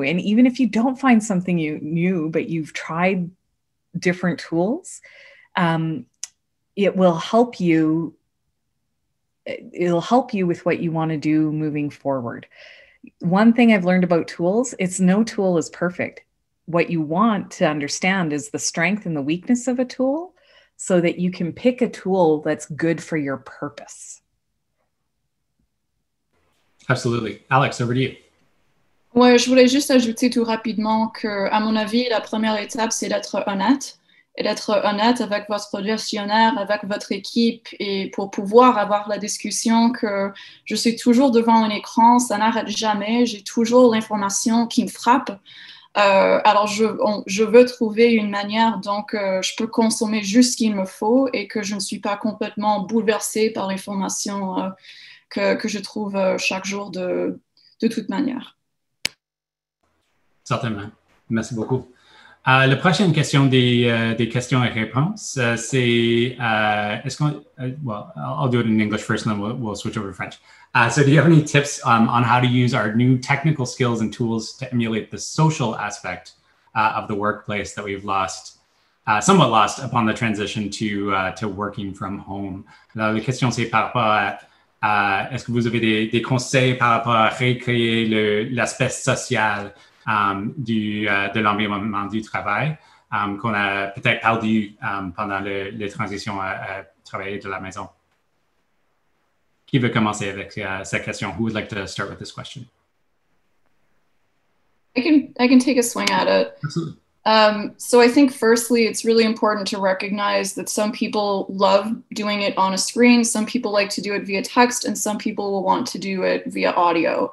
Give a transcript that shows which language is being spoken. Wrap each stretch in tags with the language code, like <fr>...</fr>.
<en>And even if you don't find something new, but you've tried different tools, it'll help you with what you want to do moving forward. One thing I've learned about tools, it's no tool is perfect. What you want to understand is the strength and the weakness of a tool, so that you can pick a tool that's good for your purpose. Absolutely. Alex, over to you.</en> <fr>Ouais, je voulais juste ajouter tout rapidement que, à mon avis, la première étape, c'est d'être honnête. Et d'être honnête avec votre gestionnaire, avec votre équipe, et pour pouvoir avoir la discussion que je suis toujours devant un écran, ça n'arrête jamais, j'ai toujours l'information qui me frappe. Alors je veux trouver une manière donc je peux consommer juste ce qu'il me faut et que je ne suis pas complètement bouleversée par l'information que je trouve chaque jour de toute manière. Certainement. Merci beaucoup. La prochaine question des questions et réponses, c'est est-ce qu'on,</fr> <en>well, I'll do it in English first, and then we'll switch over to French. So do you have any tips on how to use our new technical skills and tools to emulate the social aspect of the workplace that we've lost, somewhat lost upon the transition to working from home?</en> <fr>Alors, la question, c'est par rapport à est-ce que vous avez des conseils par rapport à recréer l'aspect social de l'environnement du travail qu'on a peut-être perdu pendant la transition à travailler de la maison. Qui veut commencer avec cette question?</fr> <en>Who would like to start with this question? I can take a swing at it. Absolutely. So I think firstly, it's really important to recognize that some people love doing it on a screen, some people like to do it via text, and some people will want to do it via audio.</en>